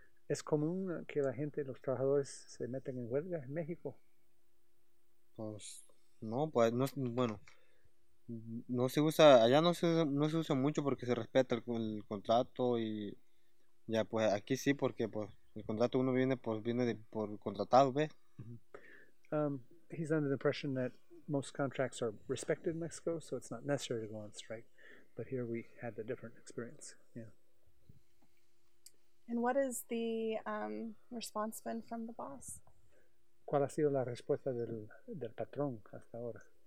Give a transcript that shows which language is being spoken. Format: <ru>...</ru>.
<es>¿Es común que la gente, los trabajadores, se meten en huelga en México? Pues, no, pues, no, bueno, no se usa, allá no se usa mucho porque se respeta el contrato y ya, pues, aquí sí, porque, pues, el contrato uno viene por contratado, ¿ves? Mm-hmm.</es> <en>He's under the impression that most contracts are respected in Mexico, so it's not necessary to go on strike. But here we had a different experience. Yeah. And what is the response been from the boss?</en> <es>¿Cuál ha sido la respuesta del patrón hasta ahora?</es>